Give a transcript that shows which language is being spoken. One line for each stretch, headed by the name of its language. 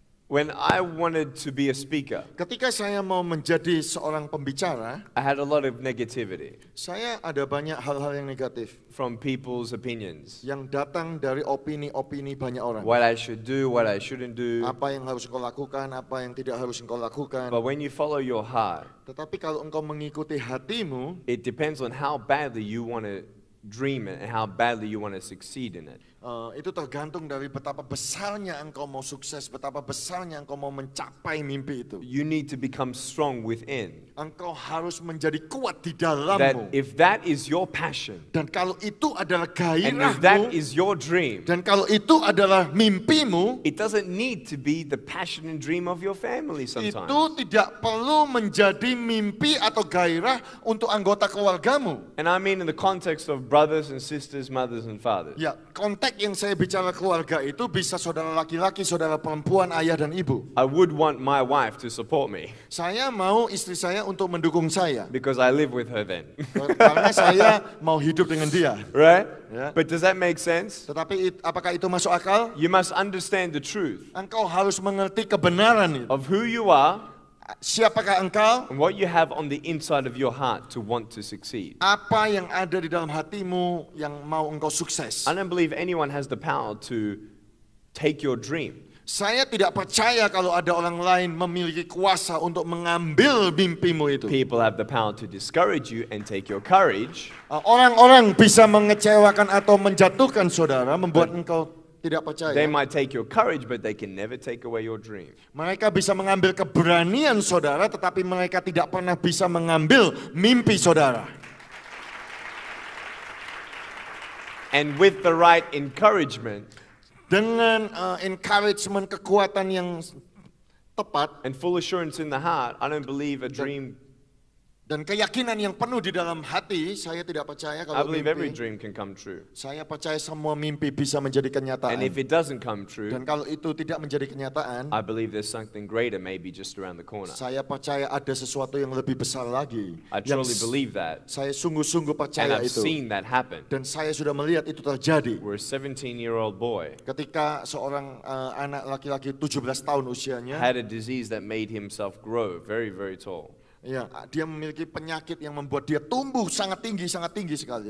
English: when I wanted to be a speaker,
Indonesian: ketika saya mau menjadi seorang pembicara,
English: I had a lot of negativity.
Indonesian: Saya ada banyak hal-hal yang negatif.
English: From people's opinions.
Indonesian: Yang datang dari opini-opini banyak orang.
English: What I should do, what I shouldn't do.
Indonesian: Apa yang harus engkau lakukan, apa yang tidak harus engkau lakukan.
English: But when you follow your heart,
Indonesian: tetapi kalau engkau mengikuti hatimu,
English: it depends on how badly you want to dream it and how badly you want to succeed in it.
Indonesian: Itu tergantung dari betapa besarnya engkau mau sukses, betapa besarnya engkau mau mencapai mimpi itu.
English: You need to become strong within.
Indonesian: Engkau harus menjadi kuat di dalammu.
English: That if that is your passion,
Indonesian: dan kalau itu adalah gairahmu,
English: and if that is your dream,
Indonesian: dan kalau itu adalah mimpimu,
English: it doesn't need to be the passion and dream of your family sometimes.
Indonesian: Itu tidak perlu menjadi mimpi atau gairah untuk anggota keluargamu.
English: And I mean in the context of brothers and sisters, mothers and fathers.
Indonesian: Ya, konteks yang saya bicara keluarga itu bisa saudara laki-laki, saudara perempuan, ayah dan ibu.
English: I would want my wife to support me.
Indonesian: Saya mau istri saya untuk mendukung saya.
English: Because I live with her then.
Indonesian: Karena saya mau hidup dengan dia.
English: Right? Yeah. But does that make sense?
Indonesian: Tetapi apakah itu masuk akal?
English: You must understand the truth.
Indonesian: Engkau harus mengerti kebenaran itu.
English: Of who you are.
Indonesian: Siapakah engkau?
English: And what you have on the inside of your heart to want to succeed.
Indonesian: Apa yang ada di dalam hatimu yang mau engkau sukses?
English: I don't believe anyone has the power to take your dream.
Indonesian: Saya tidak percaya kalau ada orang lain memiliki kuasa untuk mengambil mimpimu itu.
English: People have the power to discourage you and take your courage.
Indonesian: Orang-orang bisa mengecewakan atau menjatuhkan saudara, membuat engkau tidak percaya.
English: They might take your courage, but they can never take away your dream.
Indonesian: Mereka bisa mengambil keberanian saudara, tetapi mereka tidak pernah bisa mengambil mimpi saudara.
English: And with the right encouragement,
Indonesian: dengan encouragement, kekuatan yang tepat,
English: and full assurance in the heart, I don't believe a dream.
Indonesian: Dan keyakinan yang penuh di dalam hati, saya tidak percaya kalau
English: I believe
Indonesian: mimpi,
English: every dream can come true.
Indonesian: Saya percaya semua mimpi bisa menjadi kenyataan.
English: And if it doesn't come true,
Indonesian: dan kalau itu tidak menjadi kenyataan,
English: I believe there's something greater maybe just around the corner.
Indonesian: Saya percaya ada sesuatu yang lebih besar lagi.
English: I truly believe that.
Indonesian: Saya sungguh-sungguh percaya
English: and I've
Indonesian: itu.
English: I've seen that happen.
Indonesian: Dan saya sudah melihat itu terjadi.
English: We're a 17-year-old boy.
Indonesian: Ketika seorang anak laki-laki 17 tahun usianya
English: had a disease that made himself grow very, very tall.
Indonesian: Ya, dia memiliki penyakit yang membuat dia tumbuh sangat tinggi sekali.